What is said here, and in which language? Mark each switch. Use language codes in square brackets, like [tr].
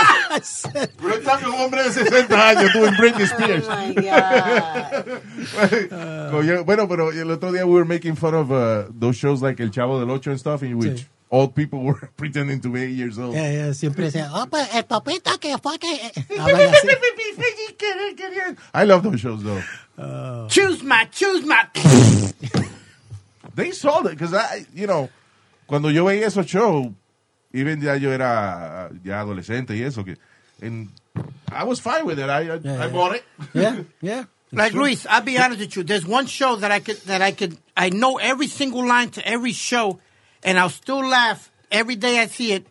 [es] Pero está un hombre de 60 años [en] doing [es] Britney Spears. [en] Oh my God. [es] Bueno, pero el otro día [en] we were making fun of those shows like El Chavo del Ocho and stuff in which old people were pretending to be 8 years old. Yeah, yeah. [es] Siempre decía, opa, el papito que fue que... [en] I love those shows, though. Choose my. They sold it, because I, you know, [es] cuando yo veía esos shows, [en] even [es] ya yo era ya adolescente y eso, [en] and I was fine with it. I bought it. Yeah, yeah. Like, true. Luis, I'll be honest with you. There's one show that I know every single line to every show, and I'll still laugh every day I see it.